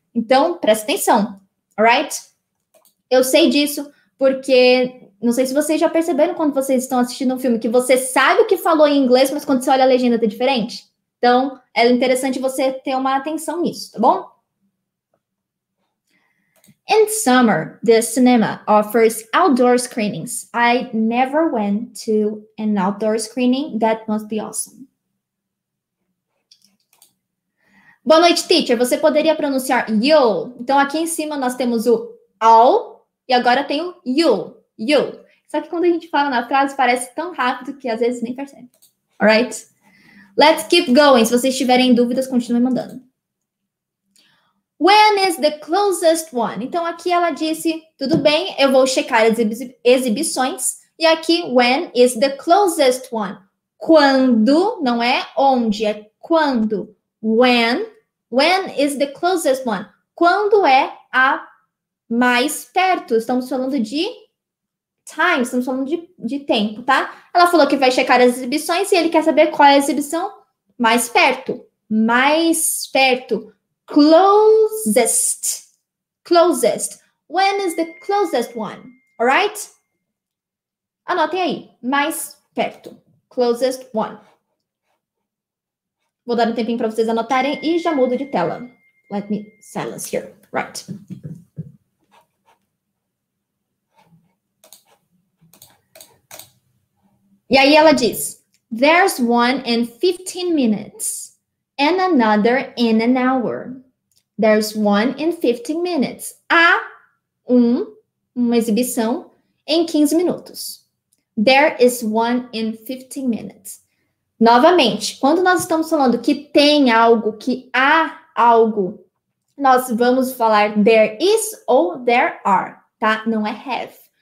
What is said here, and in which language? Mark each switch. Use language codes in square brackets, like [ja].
[pt] Então, presta atenção. Alright? Eu sei disso porque, não sei se vocês já perceberam quando vocês estão assistindo um filme que você sabe o que falou em inglês, mas quando você olha a legenda tá diferente. Então, é interessante você ter uma atenção nisso, tá bom? [en] In summer, the cinema offers outdoor screenings. I never went to an outdoor screening. That must be awesome. [pt] Boa noite, teacher. Você poderia pronunciar you? Então, aqui em cima nós temos o all e agora tem o you. You. Só que quando a gente fala na frase, parece tão rápido que às vezes nem percebe. [en] All right? Let's keep going. [pt] Se vocês tiverem dúvidas, continue mandando. [en] When is the closest one? [pt] Então, aqui ela disse, tudo bem, eu vou checar as exibições. E aqui, [en] when is the closest one? [pt] Quando, não é onde, é quando. [en] When is the closest one? [pt] Quando é a mais perto? Estamos falando de time, estamos falando de tempo, tá? Ela falou que vai checar as exibições e ele quer saber qual é a exibição mais perto. Mais perto. [en] Closest. Closest. When is the closest one? All right? [pt] Anotem aí. Mais perto. [en] Closest one. [pt] Vou dar um tempinho para vocês anotarem e já mudo de tela. [en] Let me silence here. Right. [pt] E aí ela diz, [en] there's one in 15 minutes and another in an hour. There's one in 15 minutes. [pt] Há uma exibição em 15 minutos. [en] There is one in 15 minutes. [pt] Novamente, quando nós estamos falando que tem algo, que há algo, nós vamos falar there is ou there are, tá? Não é have.